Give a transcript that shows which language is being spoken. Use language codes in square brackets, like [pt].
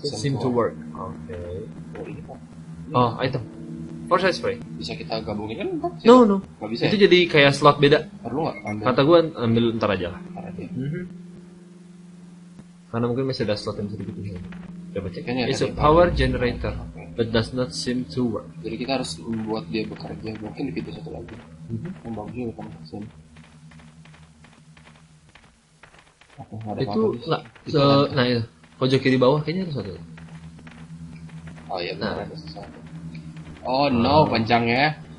[en] seem to work. Okay. Oh item. Force spray. [id] Bisa kita gabungin kan? [en] No. [id] Gak bisa. Itu ya? Jadi kayak slot beda. Perlu nggak? Kata gue ambil ntar aja lah. Ntar aja. Karena mungkin masih ada slot yang bisa dibutuhin. Coba cek. Kayaknya [en] it's a power generator, okay. But does not seem to work. [id] Jadi kita harus membuat dia bekerja. Mungkin di pintu satu lagi. Membangunnya bukan hasil. Oke, itu nggak. Nah itu. Pojok kiri bawah kayaknya ada satu. Oh iya. Nah. Ada sesuatu. Oh no, panjang ya.